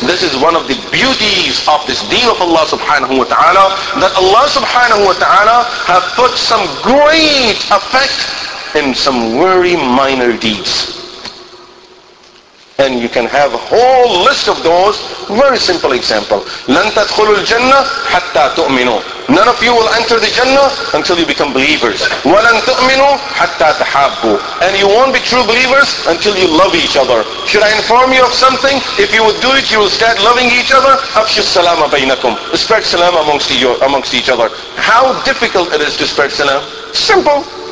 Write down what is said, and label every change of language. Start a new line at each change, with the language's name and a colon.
English: This is one of the beauties of this deen of Allah subhanahu wa ta'ala, that Allah subhanahu wa ta'ala have put some great effect in some very minor deeds. And you can have a whole list of those. Very simple example.
Arabic: لن تدخلوا الجنة حتى تؤمنوا.
English: None of you will enter the Jannah until you become believers.
Arabic: ولن تؤمنوا حتى تحابوا.
English: And you won't be true believers until you love each other. Should I inform you of something? If you would do it, you will start loving each other.
Arabic: أفشوا السلام بينكم.
English: Spread salam amongst each other. How difficult it is to spread salam? Simple.